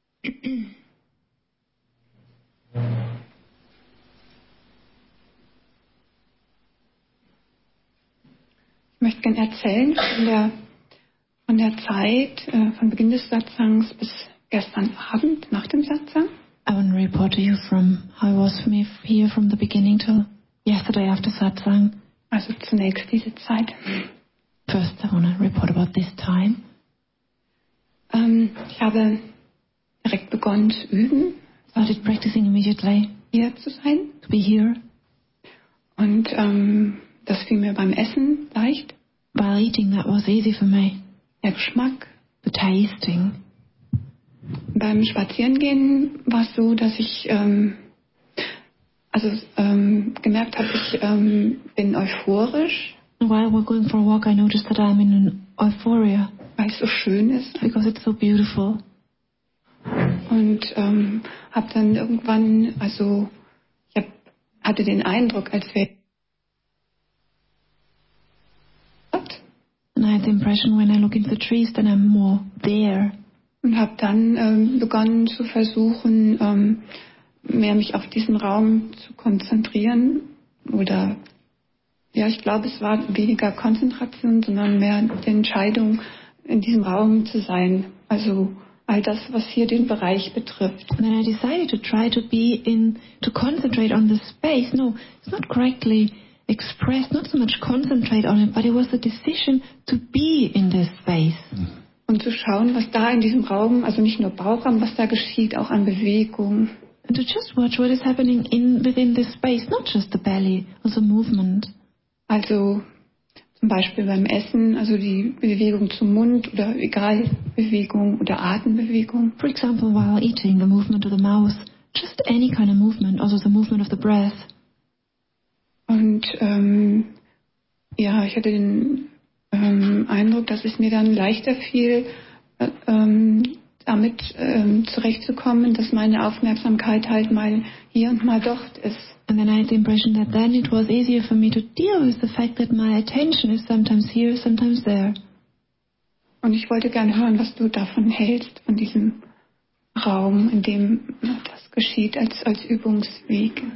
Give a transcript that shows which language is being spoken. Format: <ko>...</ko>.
<de>Ich möchte gerne erzählen von der Zeit, von Beginn des Satsangs bis gestern Abend nach dem Satsang.</de> <en>I want to report to you from how it was for me here from the beginning till yesterday after Satsang.</en> <de>Also zunächst diese Zeit.</de> <en>First I want to report about this time.</en> <de>Ich habe direkt begonnen zu üben.</de> <en>Started practicing immediately.</en> <de>Hier zu sein.</de> <en>To be here.</en> <de>Und das fiel mir beim Essen leicht.</de> <en>While eating, that was easy for me.</en> <de>Der Geschmack.</de> <en>The tasting.</en> <de>Beim Spazierengehen war es so, dass ich gemerkt habe, ich bin euphorisch.</de> <en>While we're going for a walk, I noticed that I'm in an euphoria.</en> <de>Weil es so schön ist.</de> <en>Because it's so beautiful.</en> <de>Und habe dann irgendwann, also ich hatte den Eindruck, als wäre</de> <en>and I had the impression when I look into the trees, then I'm more there.</en> <de>Und habe dann begonnen zu versuchen, mehr mich auf diesen Raum zu konzentrieren. Oder, ja, ich glaube, es war weniger Konzentration, sondern mehr die Entscheidung, in diesem Raum zu sein. Also all das, was hier den Bereich betrifft.</de> <en>And then I decided to try to be in, to concentrate on the space. No, it's not correctly expressed, not so much concentrate on it, but it was a decision to be in this space.</en> <de>Und zu schauen, was da in diesem Raum, also nicht nur Bauchraum, was da geschieht, auch an Bewegung.</de> <en>And to just watch what is happening in within this space, not just the belly, also movement.</en> <de>Also zum Beispiel beim Essen, also die Bewegung zum Mund oder egal, Bewegung oder Atembewegung.</de> <en>For example, while eating, the movement of the mouth, just any kind of movement, also the movement of the breath.</en> <de>Und ja, ich hatte den Eindruck, dass es mir dann leichter fiel, damit zurechtzukommen, dass meine Aufmerksamkeit halt mal hier und mal dort ist.</de> <en>And then I had the impression that then it was easier for me to deal with the fact that my attention is sometimes here, sometimes there.</en> <de>Und ich wollte gerne hören, was du davon hältst, von diesem Raum, in dem das geschieht, als Übungsweg.</de>